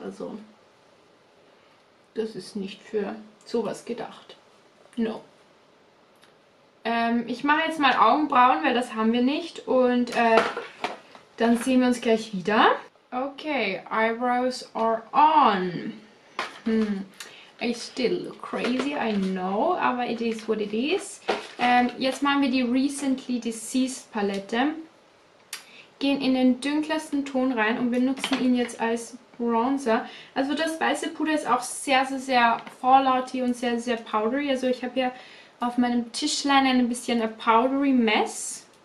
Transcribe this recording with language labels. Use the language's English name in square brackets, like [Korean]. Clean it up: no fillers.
[German] Also, das ist nicht für sowas gedacht. [English] No. [German] Ich mache jetzt mal Augenbrauen, weil das haben wir nicht. Und dann sehen wir uns gleich wieder. [English] Okay, Eyebrows are on. I still look crazy, I know, [German] aber [English] it is what it is. [German] Jetzt machen wir die Recently Deceased Palette. Gehen in den dunkelsten Ton rein und benutzen ihn jetzt als Bronzer. Also das weiße Puder ist auch sehr, sehr, sehr fallouty und sehr, sehr powdery. Also ich habe hier auf meinem Tischlein ein bisschen [English] a powdery mess.